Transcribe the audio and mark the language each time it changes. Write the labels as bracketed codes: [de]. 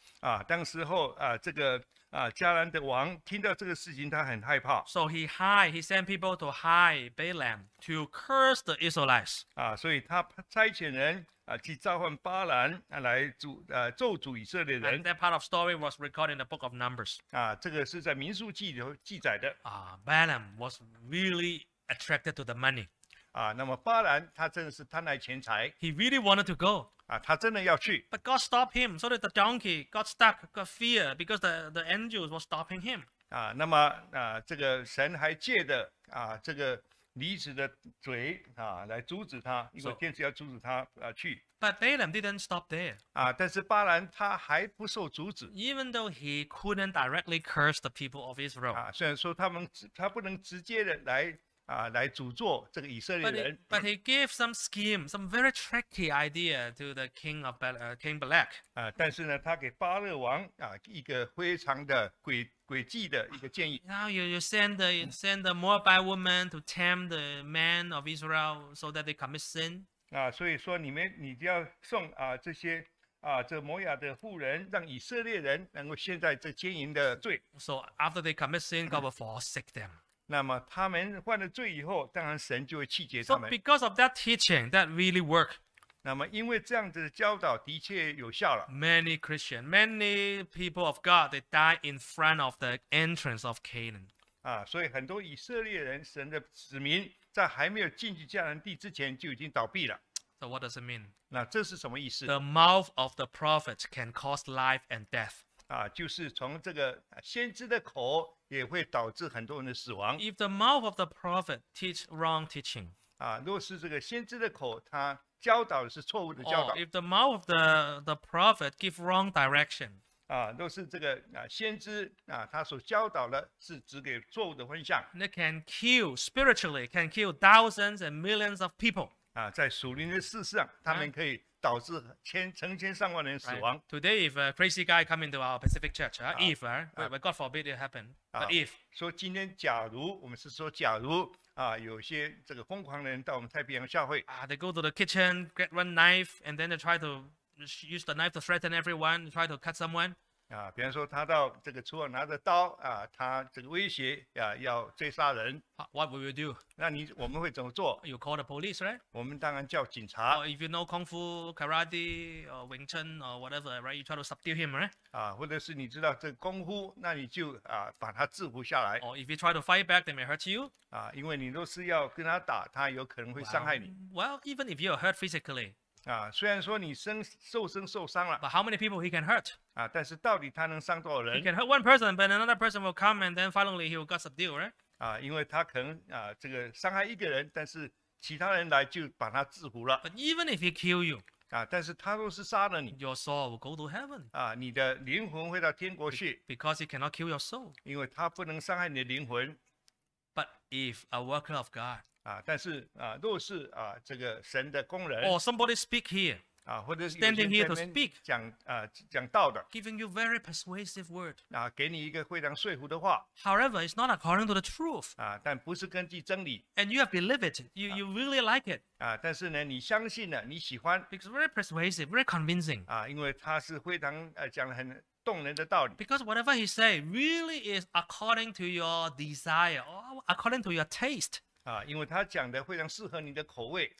[zh] 啊，当时候啊，这个啊，迦南的王听到这个事情，他很害怕。 [en] So he sent people to hide Balaam to curse the Israelites. [zh] 啊，所以他差遣人。去召唤巴兰来咒诅以色列人。 [en] And that part of story was recorded in the book of Numbers. [zh] 啊，这个是在民数记里记载的。 [en] Balaam was really attracted to the money. [zh] 啊，那么巴兰他真的是贪爱钱财。 [en] He really wanted to go. [zh] 啊，他真的要去。 [en] But God stopped him, so that the donkey got stuck, got fear because the angels were stopping him. [zh] 啊，那么啊，这个神还借的啊，这个。驴子的嘴啊，来阻止他，因为天使要阻止他啊去。 [en] But Balaam didn't stop there. [zh] 啊，但是巴兰他还不受阻止。 [en] Even though he couldn't directly curse the people of Israel. [zh] 啊，虽然说他不能直接的来啊来诅咒这个以色列人。 [en] But he gave some scheme, some very tricky idea to the king of King Balak. [zh] 啊，但是呢，他给巴勒王啊一个非常的诡计的一个建议。 [en] Now you send the Moabite woman to tempt the men of Israel so that they commit sin. [zh] 啊，所以说你要送啊这些啊这摩亚的妇人，让以色列人能够陷在这奸淫的罪。 [en] So after they commit sin, God will forsake them. [zh] 那么他们犯了罪以后，当然神就会弃绝他们。 [en] So because of that teaching, that really worked. [zh] 那么因为这样子的教导的确有效了。 [en] Many Christians, many people of God, they die in front of the entrance of Canaan. [zh] 啊，所以很多以色列人，神的子民，在还没有进去迦南地之前就已经倒闭了。 [en] So what does it mean? [zh] 那这是什么意思？ [en] The mouth of the prophet can cause life and death. [zh] 啊，就是从这个先知的口也会导致很多人的死亡。 [en] If the mouth of the prophet teach wrong teaching. [zh] 啊，若是这个先知的口他教导是错误的教导。 [en] Oh, if the mouth of the prophet give wrong direction, [zh] 啊，都是这个啊先知啊，他所教导的是指给错误的方向。 [en] They can kill spiritually, can kill thousands and millions of people. [zh] 啊，在属灵的事上，他们可以导致成千上万人死亡。 [en] Right. Today, if a crazy guy come into our Pacific Church, if God forbid it happen, but if [zh] 说今天假如我们是说假如。啊，有些这个疯狂的人到我们太平洋教会。 [en] They go to the kitchen, get one knife, and then they try to use the knife to threaten everyone, try to cut someone. [zh] 啊，比方说他到这个厨房拿着刀啊，他这个威胁啊要追杀人。 [en] What will you do? [zh] 那我们会怎么做 [en] ？You call the police, right? [zh] 我们当然叫警察。 [en] Or if you know kung fu, karate, or Wing Chun, or whatever, right? You try to subdue him, right? [zh] 啊，或者是你知道这个功夫，那你就啊把他制服下来。 [en] Or if you try to fight back, they may hurt you. [zh] 啊，因为你若是要跟他打，他有可能会伤害你。 [en] Well, even if you are hurt physically. [zh] 啊，虽然说你受伤了。 [en] But how many people he can hurt? [zh] 啊，但是到底他能伤多少人 [en] ？He can hurt one person, but another person will come, and then finally he will get subdued, right? [zh] 啊，因为他可能啊，这个伤害一个人，但是其他人来就把他制服了。 [en] But even if he kill you, [zh] 啊，但是他若是杀了你 [en] ，your soul will go to heaven. [zh] 啊，你的灵魂会到天国去。 [en] Because he cannot kill your soul. [zh] 因为他不能伤害你的灵魂。 [en] But if a worker of God, [zh] 啊，但是啊，若是啊，这个神的工人 [en] ，or somebody speak here, [zh] 啊，或者是 [en] standing here to speak, [zh] 讲啊讲道的 [en] ，giving you very persuasive word, [zh] 啊，给你一个非常说服的话。 [en] However, it's not according to the truth, [zh] 啊，但不是根据真理。 [en] And you have believed it, you really like it, [zh] 啊，但是呢，你相信了，你喜欢 [en] ，because very persuasive, very convincing, [zh] 啊，因为他是非常讲的很动人的道理。 [en] Because whatever he say really is according to your desire or according to your taste. [zh] 啊，因为他讲的非常适合你的口味。